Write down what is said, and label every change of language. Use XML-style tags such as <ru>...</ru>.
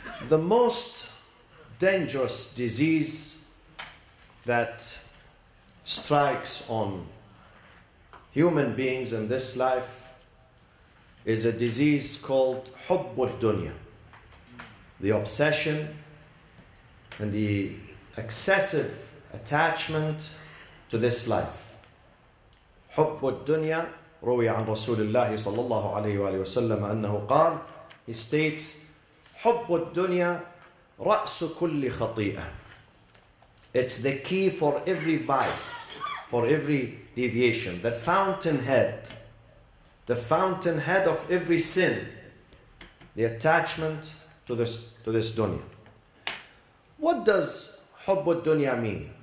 <en>The most dangerous disease that strikes on human beings in this life is a disease called</en> <ar>حب الدنيا.</ar> <en>The obsession and the excessive attachment to this life.</en> <ar>حب الدنيا روي عن رسول الله صلى الله عليه وآله وسلم أنه قال.</ar> <en>He states,</en> <ar>حب الدنيا رأس كل خطيئة.</ar> <en>It's the key for every vice, for every deviation. The fountainhead. The fountainhead of every sin. The attachment to this dunya. What does</en> <ar>حب الدنيا</ar> <en>mean?</en>